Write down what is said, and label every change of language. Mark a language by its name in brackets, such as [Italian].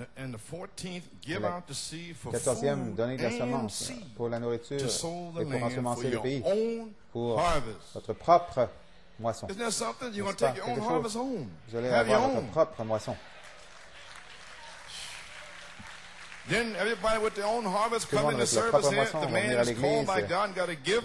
[English] And the 14th, give out the seed for [French] 14e, donner de la semence pour la nourriture et pour ensemencer le pays, pour votre propre moisson. [English] Isn't that something? You're going to take your own harvest home. [French] Vous allez avoir votre propre moisson. [English] Then everybody with their own harvest come into service. [French] Moisson, [English] the man is called by God and got a gift.